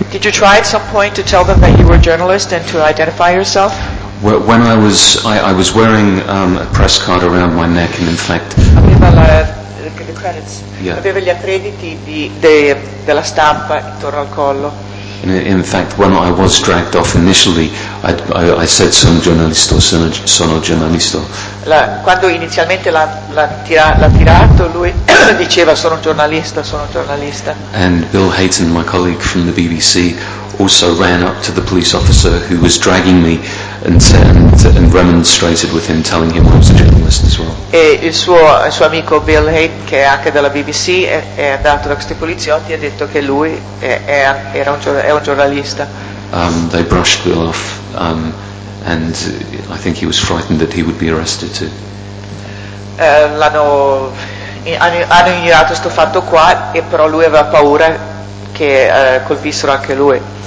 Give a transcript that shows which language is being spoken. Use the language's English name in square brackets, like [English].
[English] Did you try at some point to tell them that you were a journalist and to identify yourself? When I was wearing a press card around my neck, and in fact, [Italian] aveva [English] the credits. Yeah. [Italian] Aveva gli accrediti della stampa intorno al collo. [English] In fact, when I was dragged off initially, I said [Italian] sono giornalista. Quando inizialmente l'ha tirato, lui diceva sono giornalista. [English] And Bill Hayton, my colleague from the BBC, also ran up to the police officer who was dragging me and remonstrated with him, telling him I was a journalist as well. [Italian] E il suo amico Bill Hayton, che è anche della BBC, è andato da questi poliziotti e ha detto che lui è un giornalista. [English] They brushed Bill off, and I think he was frightened that he would be arrested too. [Italian] Hanno ignorato sto fatto qua, e però lui aveva paura che colpissero anche lui.